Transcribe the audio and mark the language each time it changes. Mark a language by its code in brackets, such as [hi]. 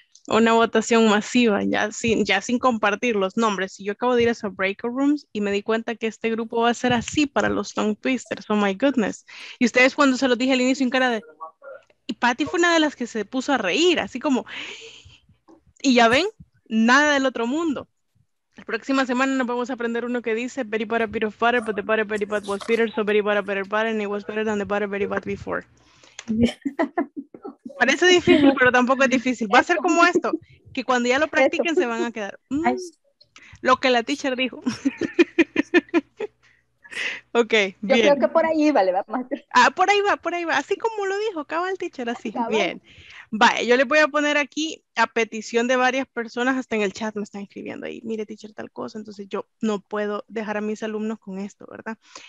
[es] Una votación masiva, ya sin compartir los nombres. Yo acabo de ir a esos breakout rooms y me di cuenta que este grupo va a ser así para los tongue twisters. [en] Oh my goodness. [es] Y ustedes, cuando se los dije al inicio, en cara de... Y Patty fue una de las que se puso a reír, así como... Y ya ven, nada del otro mundo. La próxima semana nos vamos a aprender uno que dice [en] Very butter, bitter, butter, but the butter, very bad was bitter, so very butter, better, butter, and it was better than the butter, very bad before. [es] Parece difícil, pero tampoco es difícil. Va a ser como esto, que cuando ya lo practiquen se van a quedar. Lo que la teacher dijo. Ok, bien. Yo creo que por ahí va, le va a matar. Ah, por ahí va. Así como lo dijo, acaba el teacher, así. Acabó. Bien. Vale, yo le voy a poner aquí, a petición de varias personas, hasta en el chat me están escribiendo ahí, mire teacher tal cosa, entonces yo no puedo dejar a mis alumnos con esto, ¿verdad?